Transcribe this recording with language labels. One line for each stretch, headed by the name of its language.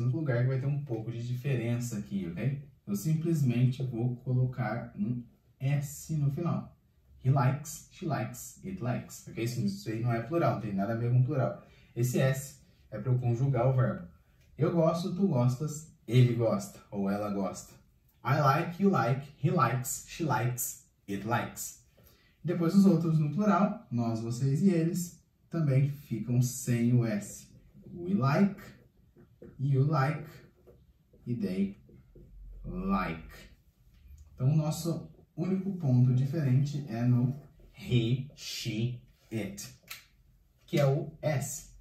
Portuguese: No lugar que vai ter um pouco de diferença aqui, ok? Eu simplesmente vou colocar um S no final.
English: He likes, she likes, it likes.
Portuguese: Ok? Isso aí não é plural, não tem nada a ver com plural. Esse S é para eu conjugar o verbo. Eu gosto, tu gostas, ele gosta ou ela gosta.
English: I like, you like, he likes, she likes, it likes.
Portuguese: Depois os outros no plural, nós, vocês e eles, também ficam sem o S.
English: We like, you like, e they like.
Portuguese: Então o nosso único ponto diferente é no he, she, it, que é o S.